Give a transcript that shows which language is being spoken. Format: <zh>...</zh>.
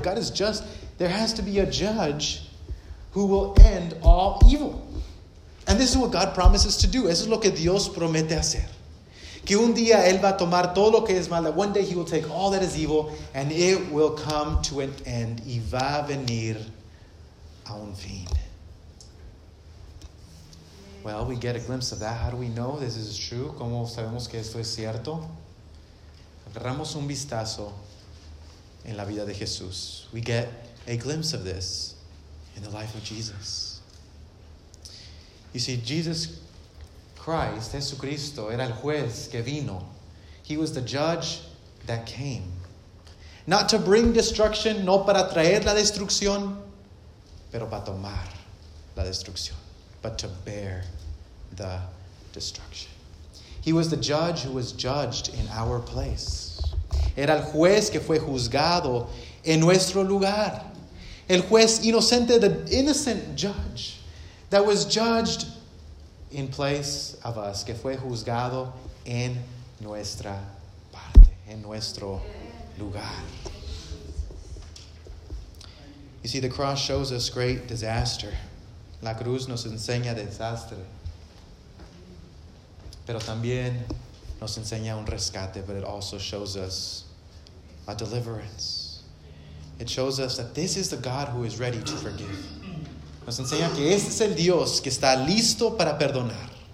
<en>If God is just, there has to be a judge who will end all evil. And this is what God promises to do.</en> <es>Eso es lo que Dios promete hacer. Que un día él va a tomar todo lo que es malo.</es> <en>One day he will take all that is evil and it will come to an end.</en> <es>Y va a venir a un fin.</es> <en>Well, we get a glimpse of that. How do we know this is true?</en> <es>¿Cómo sabemos que esto es cierto? Agarramos un vistazo en la vida de Jesús.</es> <en>We get a glimpse of this in the life of Jesus. You see, Jesus Christ, Jesucristo,</en> <es>era el juez que vino.</es> <en>He was the judge that came. Not to bring destruction,</en> <es>no para traer la destrucción, pero para tomar la destrucción,</es> <en>but to bear the destruction. He was the judge who was judged in our place.</en> <es>Era el juez que fue juzgado en nuestro lugar. El juez inocente,</es> <en>the innocent judge that was judged in place of us,</en> <es>que fue juzgado en nuestra parte, en nuestro lugar.</es> <en>You see, the cross shows us great disaster.</en> <es>La cruz nos enseña desastre. Pero también nos enseña un rescate,</es> <en>but it also shows us a deliverance. It shows us that this is the God who is ready to forgive.</en> <es>Nos enseña que este es el Dios que está listo para perdonar.</es>